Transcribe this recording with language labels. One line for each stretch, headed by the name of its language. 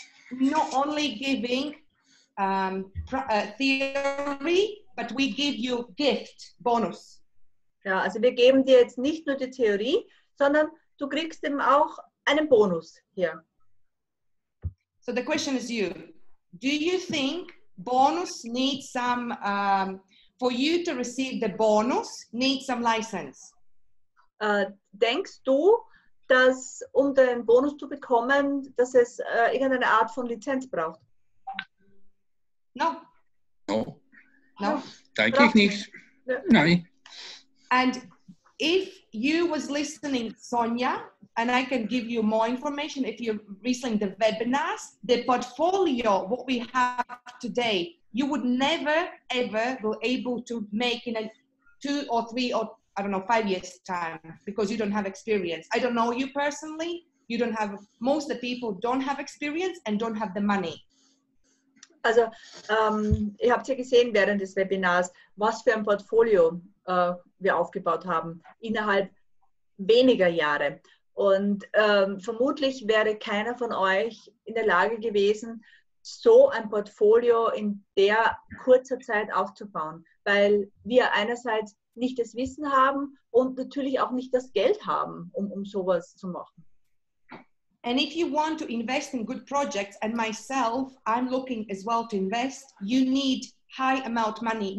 English: Not only giving theory, but we give you gift, bonus.
German: Ja, also wir geben dir jetzt nicht nur die Theorie, sondern du kriegst eben auch einen Bonus hier.
English: So the question is you. Do you think bonus needs some, for you to receive the bonus, needs some license?
German: Denkst du, dass um den Bonus zu bekommen, dass es irgendeine Art von Lizenz braucht?
English: No. No. No.
German: Denke ich nicht.
English: No.
German: Nein.
English: And if you was listening, Sonja, and I can give you more information if you're listening the webinars, the portfolio, what we have today, you would never, ever be able to make in a 2 or 3 or 5 years time because you don't have experience. I don't know you personally. You don't have, most of the people don't have experience and don't have the money.
German: Also, ihr habt ja gesehen während des Webinars, was für ein Portfolio wir aufgebaut haben innerhalb weniger Jahre. Und vermutlich wäre keiner von euch in der Lage gewesen, so ein Portfolio in der kurzer Zeit aufzubauen, weil wir einerseits nicht das Wissen haben und natürlich auch nicht das Geld haben, um sowas zu machen.
English: And if you want to invest in good projects, and myself, I'm looking as well to invest, you need high amount money.